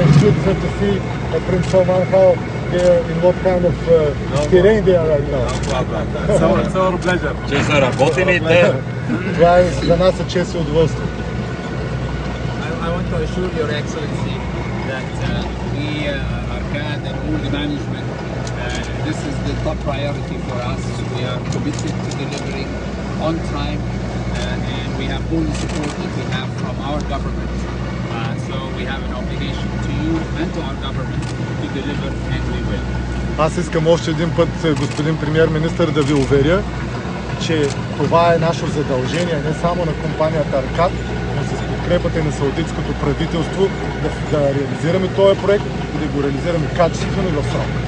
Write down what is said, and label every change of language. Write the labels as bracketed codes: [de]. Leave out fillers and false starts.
[en] shoot her to see Prince Salman how in what kind of terrain they are right now. No problem. It's our pleasure. Just our botany there. [bg] Това е за нас е чест и удоволствие. [en] I want to assure your excellency that we Arkad and all the management, this is the top priority for us. We are committed to delivering on time. And we have all the support that we have from our government. So we have an obligation to you and to our government to deliver and we will. [bg] Аз искам още един път, господин премьер-министър, да ви уверя, че това е наше задължение не само на компанията Arkad, но с подкрепата и на саудитското правителство да реализираме този проект и да го реализираме качествено и в срок.